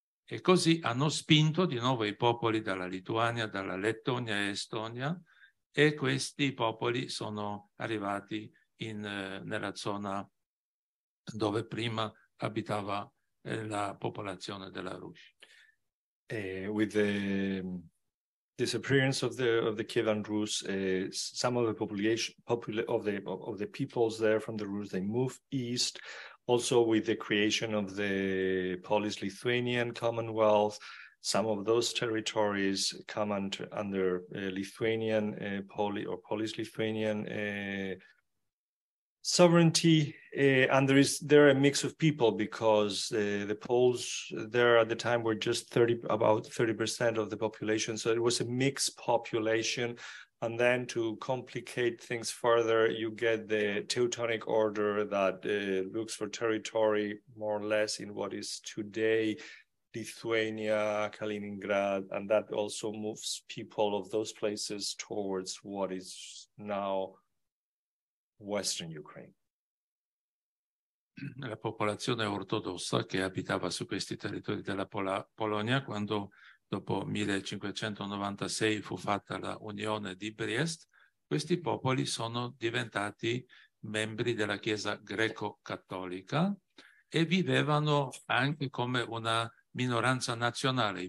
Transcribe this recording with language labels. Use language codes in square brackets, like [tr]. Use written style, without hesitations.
[it] E così hanno spinto di nuovo i popoli dalla Lituania, dalla Lettonia e Estonia, e questi popoli sono arrivati nella zona dove prima abitava la popolazione della Rus. [en] With the disappearance of the Kievan Rus, some of the population of the peoples there from the Rus, they move east. Also with the creation of the Polish-Lithuanian Commonwealth, some of those territories come under Lithuanian Poly or Polish-Lithuanian sovereignty, and there are a mix of people because the Poles there at the time were just about 30% of the population, so it was a mixed population. And then to complicate things further, you get the Teutonic Order that looks for territory more or less in what is today Lithuania, Kaliningrad, and that also moves people of those places towards what is now Western Ukraine. [it] La popolazione ortodossa che abitava su questi territori della Polonia quando dopo 1596 fu fatta la Unione di Brest, questi popoli sono diventati membri della Chiesa greco-cattolica e vivevano anche come una minoranza nazionale.